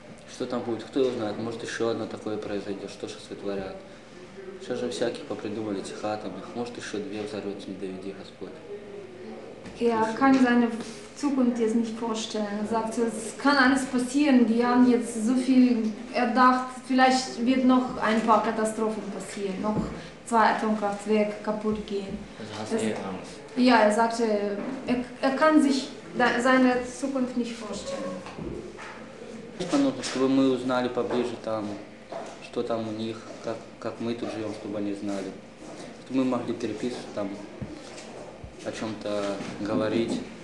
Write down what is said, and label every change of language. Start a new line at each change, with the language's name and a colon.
Russian: Что там будет, кто его знает, может еще одно такое произойдет, что сейчас вытворят. Сейчас же всякие попридумали этих атомных, может еще две взорвется, не доведи Господь.
German: Я kann seine Zukunft jetzt nicht vorstellen. Er sagt, es kann alles passieren, die haben jetzt so viel erdacht, vielleicht wird noch ein paar Katastrophen passieren, noch zwei Atomkraftwerke kaputt gehen. Also hast du Angst? Ja, er sagte, er kann sich seine Zukunft nicht vorstellen.
Russian: Чтобы мы узнали поближе там, что там у них, как мы тут живем, чтобы они знали. Чтобы мы могли переписываться там, о чем-то говорить.